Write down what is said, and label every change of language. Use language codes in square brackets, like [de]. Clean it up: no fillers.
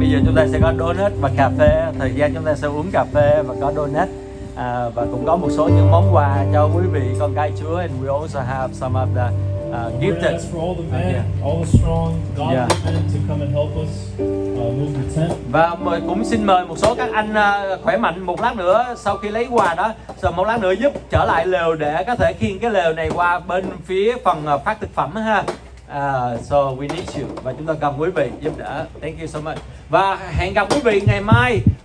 [vi] Bây giờ chúng ta sẽ có donut và cà phê. Thời gian chúng ta sẽ uống cà phê và có donut. Và cũng có một số những món quà cho quý vị con cái Chúa. [en] And we also have some of the gifts. We're gonna ask for all the men, all the strong, godly men to come and help us move the tent. [vi] Và mời, cũng xin mời một số các anh khỏe mạnh một lát nữa sau khi lấy quà đó, rồi một lát nữa giúp trở lại lều để có thể khiêng cái lều này qua bên phía phần phát thực phẩm ha. [en] So we need you. [vi] Và chúng ta cần quý vị giúp đỡ. [en] Thank you so much. [vi] Và hẹn gặp quý vị ngày mai.